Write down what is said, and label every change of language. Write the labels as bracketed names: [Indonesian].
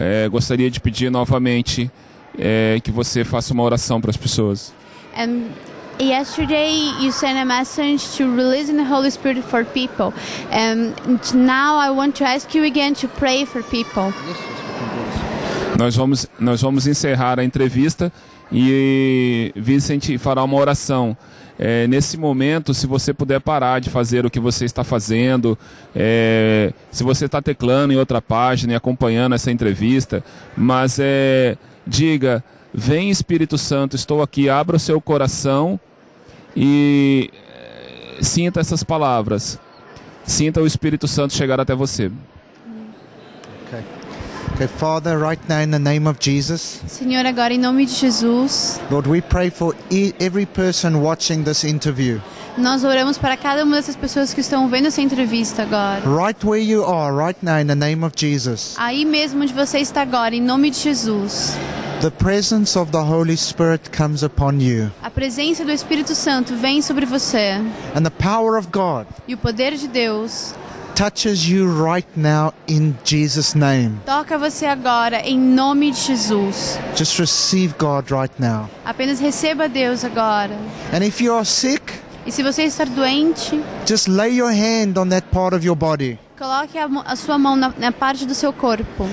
[Portuguese] Gostaria de pedir novamente que você faça uma oração para as pessoas. [English] Yesterday you sent a message to release the Holy Spirit for people. And now I want to ask you again to pray for people. [Portuguese] Nós vamos encerrar a entrevista. E Vincent fará uma oração. Nesse momento, se você puder parar de fazer o que você está fazendo, se você está teclando em outra página e acompanhando essa entrevista, mas diga: vem Espírito Santo, estou aqui, abra o seu coração e sinta essas palavras. Sinta o Espírito Santo chegar até você. [English] Okay, Father, right now in the name of Jesus. [Portuguese] Senhor, agora em nome de Jesus. [English] Lord, we pray for every person watching this interview. [Portuguese] Nós oramos para cada uma dessas pessoas que estão vendo essa entrevista agora. [English] Right where you are, right now in the name of Jesus. [Portuguese] Aí mesmo onde você está agora, em nome de Jesus. [English] The presence of the Holy Spirit comes upon you. [Portuguese] A presença do Espírito Santo vem sobre você. [English] And the power of God. [Portuguese] E o poder de Deus. [English] Touches you right now in Jesus' name. [Portuguese] Toca você agora em nome de Jesus. [English] Just receive God right now. [Portuguese] Apenas receba Deus agora. [English] And if you are sick, [Portuguese] e se você estar doente, [English] just lay your hand on that part of your body. [Portuguese] Coloque a sua mão na parte do seu corpo.